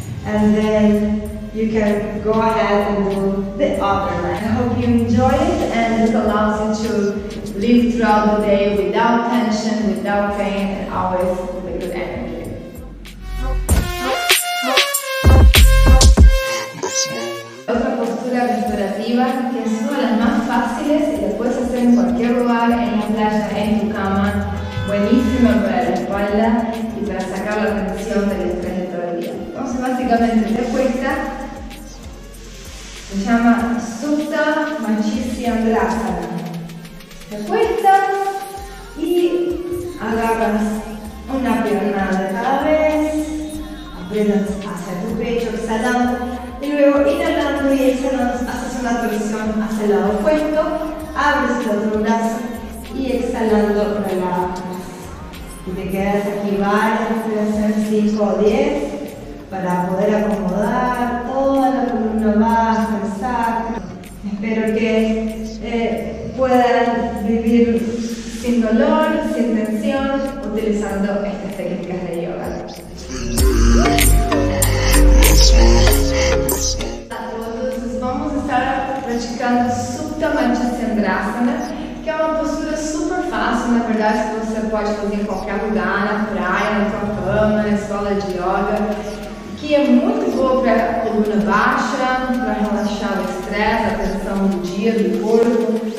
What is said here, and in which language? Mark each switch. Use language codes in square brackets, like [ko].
[en] And then you can go ahead and do the other leg. I hope you enjoy it, and this allows you to live throughout the day without tension, without pain, and always with a good energy. [es] Otra postura restaurativa que es una de las más fáciles y las puedes hacer en cualquier lugar, en la playa, en tu cama. Buenísima para la espalda y para sacar la tensión del estrés de todo el día. Entonces, básicamente, te cuesta. Se llama Supta Matasandrasana. Te cuestas y agarras una pierna de cada vez, aprietas hacia tu pecho exhalando y luego inhalando y exhalando, haces una torsión hacia el lado opuesto, abres el otro brazo y exhalando relajas. Y te quedas aquí varias, voy a hacer 5 o 10 para poder acomodar toda la columna baja, exacto. Espero que puedan vivir sin dolor, sin tensión, utilizando estas técnicas de yoga. A todos, vamos a estar practicando [pt] Supta Matasandrasana, que é uma postura super fácil, na verdade, que você pode fazer em qualquer lugar, na praia, na sua cama, na escola de yoga, que é muito boa para a coluna baixa, para relaxar o estresse, a tensão do dia, do corpo.